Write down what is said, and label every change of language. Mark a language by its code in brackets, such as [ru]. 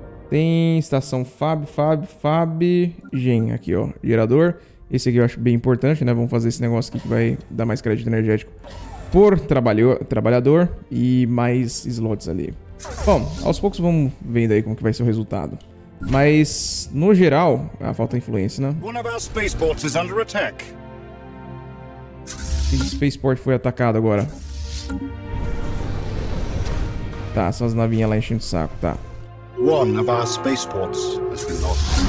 [pt] Tem estação FAB, GEN aqui, ó. Gerador. Esse aqui eu acho bem importante, né? Vamos fazer esse negócio aqui que vai dar mais crédito energético por trabalhador e mais slots ali. Bom, aos poucos vamos vendo aí como que vai ser o resultado. Mas, no geral, a falta de influência, né? [en] One of our spaceports is under attack. [pt] Esse spaceport foi atacado agora. Tá, são as navinhas lá enchendo o saco, tá. [en] One of our spaceports has been lost.